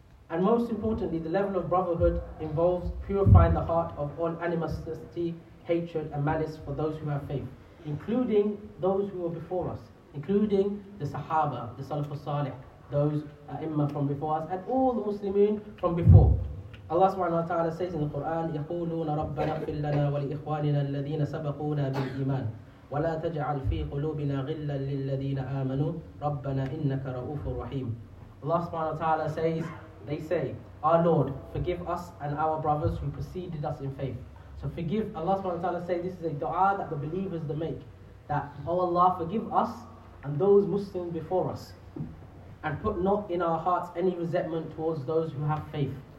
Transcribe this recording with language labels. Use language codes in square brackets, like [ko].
[en] And most importantly, the level of brotherhood involves purifying the heart of all animosity, hatred and malice for those who have faith, including those who were before us, including the Sahaba, the Salaf al-Salih, those imma from before us, and all the Muslimin from before. [ar] Allah subhanahu wa ta'ala says in the Quran, يَقُولُونَ رَبَّنَا اغْفِرْ لَنَا وَلِإِخْوَانِنَا الَّذِينَ سَبَقُونَا بِالْإِيمَانِ وَلَا تَجْعَلْ فِي قُلُوبِنَا غِلًّا لِلَّذِينَ آمَنُوا رَبَّنَا إِنَّكَ رَؤُوفٌ رَحِيمٌ. [en] Allah subhanahu wa ta'ala says, they say, our Lord, forgive us and our brothers who preceded us in faith. So forgive, Allah subhanahu wa ta'ala says, this is a dua that the believers make. That, oh Allah, forgive us and those Muslims before us. And put not in our hearts any resentment towards those who have faith.